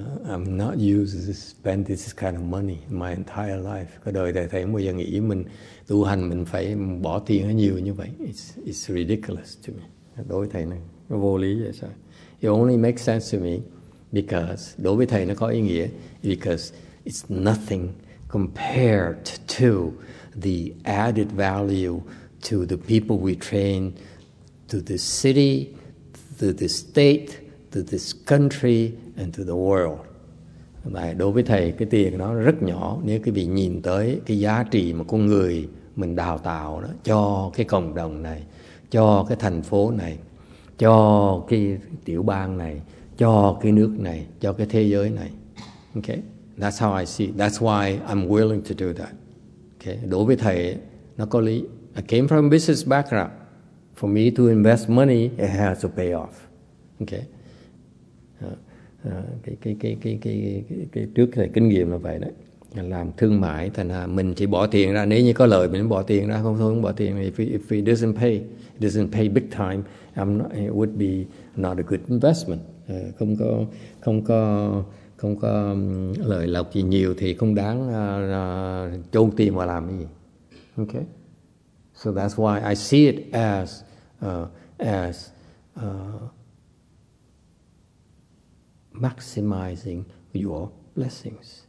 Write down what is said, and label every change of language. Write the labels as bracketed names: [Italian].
[English] I'm not used to spend this kind of money my entire life. [Vietnamese] Cái đời thầy không bao giờ nghĩ mình tu hành mình phải bỏ tiền nhiều như vậy. [English] It's ridiculous to me. [Vietnamese] Đối với thầy này nó vô lý vậy sao? [English] It only makes sense to me because [Vietnamese] đối với thầy nó có ý nghĩa [English] because it's nothing compared to the added value to the people we train, to this city, to this state, to this country and to the world. [Vietnamese] Và đối với thầy cái tiền nó rất nhỏ nếu quý vị nhìn tới cái giá trị mà con người mình đào tạo đó cho cái cộng đồng này, cho cái thành phố này, cho cái tiểu bang này, cho cái nước này, cho cái thế giới này. [English] Okay, that's how I see. That's why I'm willing to do that. [Vietnamese] Okay, đối với thầy nó có lý. [English] I came from a business background. For me to invest money, it has to pay off. Okay, [Vietnamese] cái trước thì kinh nghiệm là vậy đấy. Làm thương mại thành là mình chỉ bỏ tiền ra nếu như có lợi mình bỏ tiền ra, không thôi không bỏ tiền. [English] If it doesn't pay, big time, it would be not a good investment. [Vietnamese] Không có lợi lộc gì nhiều thì không đáng chôn tiền mà làm cái gì. [English] Okay, so that's why I see it as maximizing your blessings.